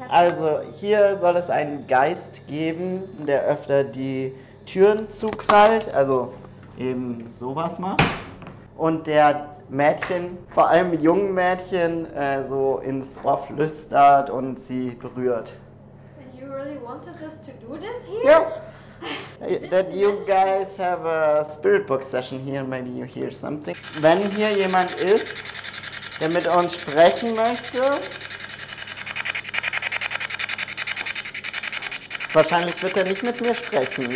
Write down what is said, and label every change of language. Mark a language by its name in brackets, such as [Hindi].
[German] Also hier soll es einen Geist geben, der öfter die Türen zuknallt. Also eben sowas macht. Und der Mädchen, vor allem jungen Mädchen, so ins Ohr flüstert und sie berührt. [English] And you really wanted us to do this here? Yeah. That you guys have a spirit book session here, maybe you hear something. [German] Wenn hier jemand ist, der mit uns sprechen möchte, wahrscheinlich wird er nicht mit mir sprechen.